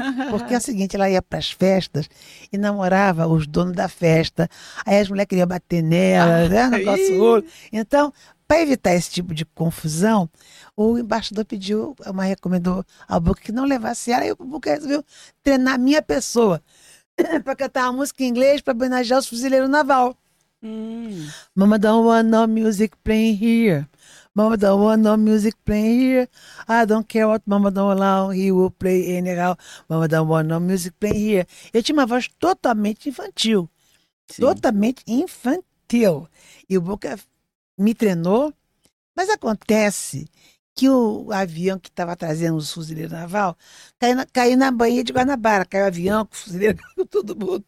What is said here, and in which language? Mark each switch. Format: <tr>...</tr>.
<pt>Porque é o seguinte, ela ia para as festas e namorava os donos da festa, aí as mulheres queriam bater nela, né, no nosso olho. Então, para evitar esse tipo de confusão, o embaixador pediu, uma recomendou ao Booker que não levasse ela, e o Booker resolveu treinar a minha pessoa para cantar uma música em inglês para homenagear os fuzileiros naval.</pt> <en>Mama don't want no music playing here. Mama don't want no music playing here. I don't care what mama don't allow, he will play anyhow. Mama don't want no music playing here.</en> <pt>Eu tinha uma voz totalmente infantil. Sim. Totalmente infantil. E o Booker me treinou. Mas acontece que o avião que estava trazendo o fuzileiro naval caiu na Baía de Guanabara. Caiu o avião com o fuzileiro, com todo mundo.</pt>